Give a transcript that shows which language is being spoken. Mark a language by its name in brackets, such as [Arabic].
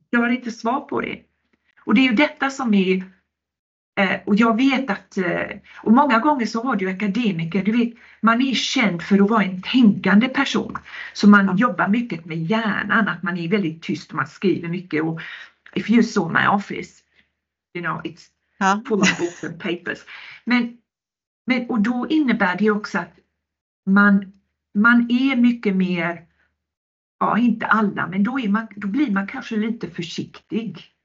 [Swedish] Jag har inte svar på det. Och det är ju detta som är, och jag vet att, och många gånger så har du akademiker, du vet, man är känd för att vara en tänkande person. Så man jobbar mycket med hjärnan, att man är väldigt tyst och man skriver mycket. [English] Och if you saw my office, you know, it's full of books and papers. [Swedish] Men och då innebär det också att man är mycket mer, ja inte alla, men då blir man kanske lite försiktig.